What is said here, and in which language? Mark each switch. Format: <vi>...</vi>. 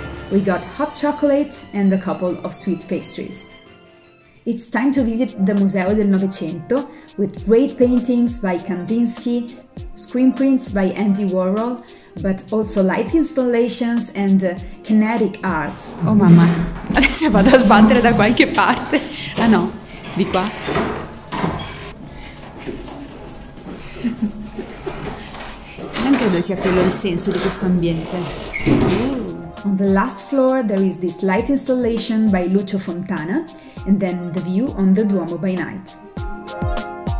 <en>We got hot chocolate and a couple of sweet pastries. It's time to visit the Museo del Novecento with great paintings by Kandinsky, screen prints by Andy Warhol, but also light installations and kinetic arts.</en> <it>Oh mamma, adesso vado a sbattere da qualche parte. Ah no, di qua. Non credo sia quello il senso di questo ambiente.</it> <en>On the last floor there is this light installation by Lucio Fontana, and then the view on the Duomo by night.</en>